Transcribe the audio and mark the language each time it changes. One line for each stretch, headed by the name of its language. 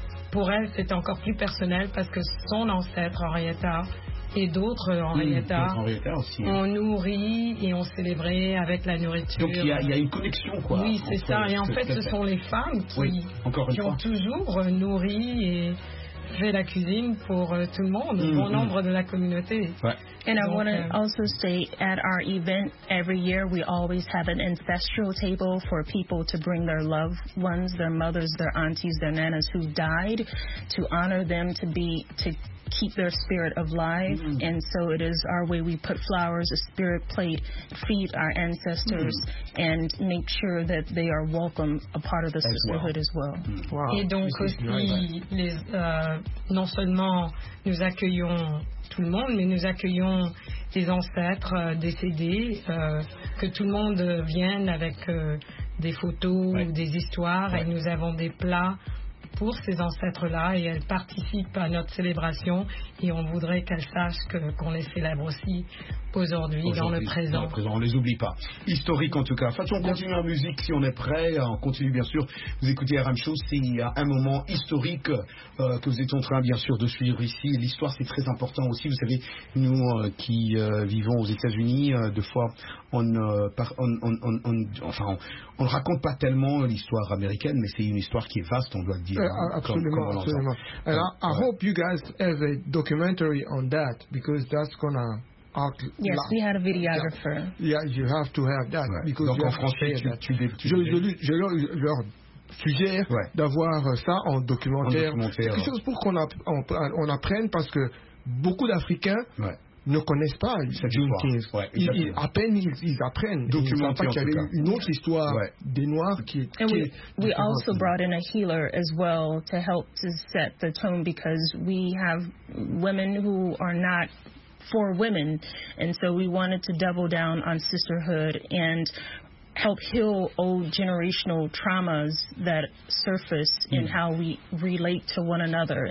French: Pour elle, c'est encore plus personnel parce que son ancêtre, Henrietta, et d'autres Henrietta aussi. On nourrit et on célébrait avec la nourriture. Donc il y a une connexion, quoi. Oui, c'est ça. Et en fait, ce sont les femmes qui ont toujours nourri et fait la cuisine pour tout le monde, bon nombre de la communauté. Ouais.
English: And I want to also say, at our event every year, we always have an ancestral table for people to bring their loved ones, their mothers, their aunties, their nanas who died, to honor them, to keep their spirit alive. Mm-hmm. And so it is our way. We put flowers, a spirit plate, feed our ancestors, and make sure that they are welcome, a part of the sisterhood as well. Wow.
French: Et donc aussi, non seulement nous accueillons tout le monde, mais nous accueillons des ancêtres décédés, que tout le monde vienne avec des photos ou des histoires, et nous avons des plats pour ces ancêtres-là et elles participent à notre célébration et on voudrait qu'elles sachent que, qu'on les célèbre aussi aujourd'hui dans le présent. Dans le présent, on ne les oublie pas. Historique en tout cas. Façon, on continue en musique si on est prêt. On continue bien sûr. Vous écoutez RM Show, c'est un moment historique que vous êtes en train bien sûr de suivre ici. L'histoire c'est très important aussi. Vous savez, nous qui vivons aux États-Unis, deux fois, on ne raconte pas tellement l'histoire américaine, mais c'est une histoire qui est vaste, on doit le dire. Absolument.
English: Alors, I hope you guys have a documentary on that, because that's gonna... we had a videographer. Yeah, you have to have that. Ouais. Because
French: donc, en français, je leur suggère d'avoir ça en documentaire. Quelque chose pour qu'on apprenne, parce que beaucoup d'Africains... Ouais. Ne connaissent pas June 15. Ouais, à peine ils apprennent. Documenté, ils savent pas qu'il y a une autre histoire des Noirs qui est.
English: And we also brought in a healer as well to help to set the tone because we have women who are not for women, and so we wanted to double down on sisterhood and help heal old generational traumas that surface in how we relate to one another.